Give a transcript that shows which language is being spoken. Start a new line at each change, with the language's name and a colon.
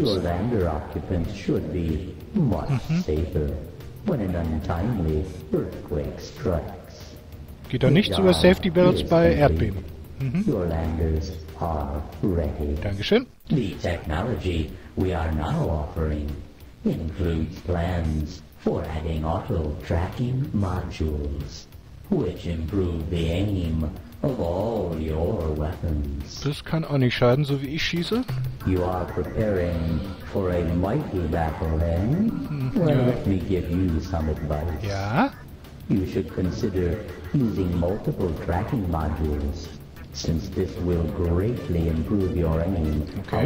English: Your lander occupants should be much safer when an untimely earthquake strikes.
German: Geht doch nichts über Safety belts bei Erdbeben.
English: Your landers are ready.
German: Dankeschön.
English: The technology we are now offering includes plans for adding auto-tracking modules, which improve the aim of all your weapons.
German: Das kann auch nicht schaden, so wie ich schieße.
English: You are preparing for a mighty battle, then? Well,
German: ja.
English: Let me give you some advice.
German: Ja?
English: You should consider using multiple tracking modules, since this will greatly improve your aim. Okay.